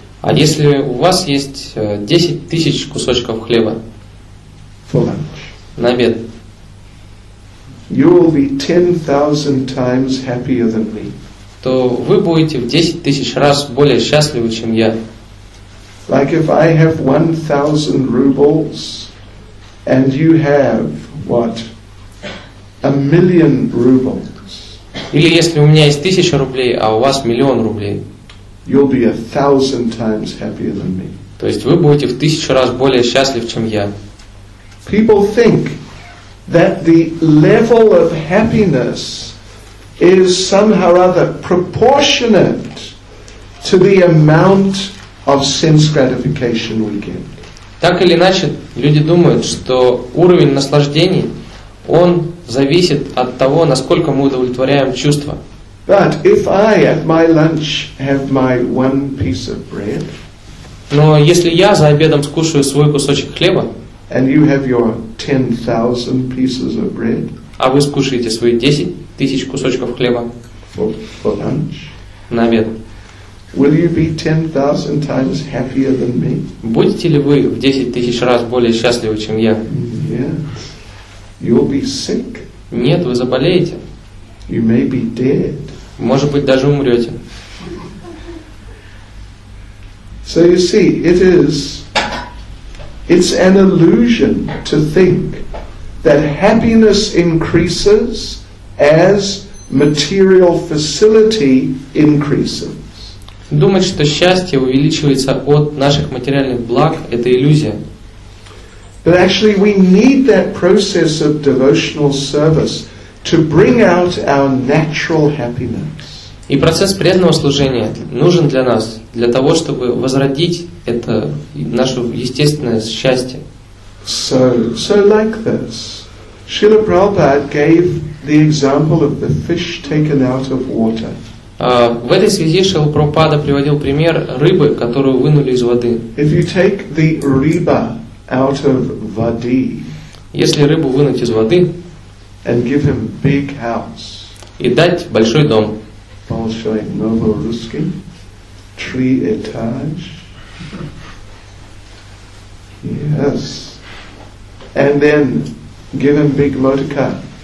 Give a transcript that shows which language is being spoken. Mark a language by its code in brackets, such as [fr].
[ru] а если у вас есть 10,000 кусочков хлеба [en] for lunch, [ru] на обед, [en] you will be 10,000 times happier than me. [ru] То вы будете в 10,000 раз более счастливы, чем я. [en] Like if I have 1,000 rubles and you have what? 1,000,000 rubles. [ru] Или если у меня есть 1,000 рублей, а у вас 1,000,000 рублей. [en] You'll be 1,000 times happier than me. [ru] То есть вы будете в 1,000 раз более счастлив, чем я. [en] People think that the level of happiness is somehow or other proportionate to the amount of sense gratification we get. [ru] Так или иначе, люди думают, что уровень наслаждений, он зависит от того, насколько мы удовлетворяем чувства. [en] But if I at my lunch have my one piece of bread, [ru] но если я за обедом скушаю свой кусочек хлеба, [en] and you have your 10,000 pieces of bread, [ru] а вы скушаете свои 10,000 кусочков хлеба [en] for lunch, [ru] на обед, [en] will you be 10,000 times happier than me? [ru] Будете ли вы в 10,000 раз более счастливы, чем я? [en] Yes. You'll be sick. [ru] Нет, вы заболеете. [en] You may be dead. [ru] Может быть, даже умрете. [en] So you see, it's an illusion to think that happiness increases as material facility increases. [ru] Думать, что счастье увеличивается от наших материальных благ, это иллюзия. [en] But actually we need that process of devotional service to bring out our natural happiness. [ru] И процесс преданного служения нужен для нас, для того, чтобы возродить это наше естественное счастье. [en] So like this. Srila Prabhupada gave the example of the fish taken out of water. [ru] В этой связи Шрила Прабхупада приводил пример рыбы, которую вынули из воды. [en] If you take the [ru] riba [en] out of [ru] vadi, если рыбу вынуть из воды, [en] and give him big house, [ru] и дать большой дом, большой новорусский, [en] three [ru] этаж, [en] yes, and then give him big motor car,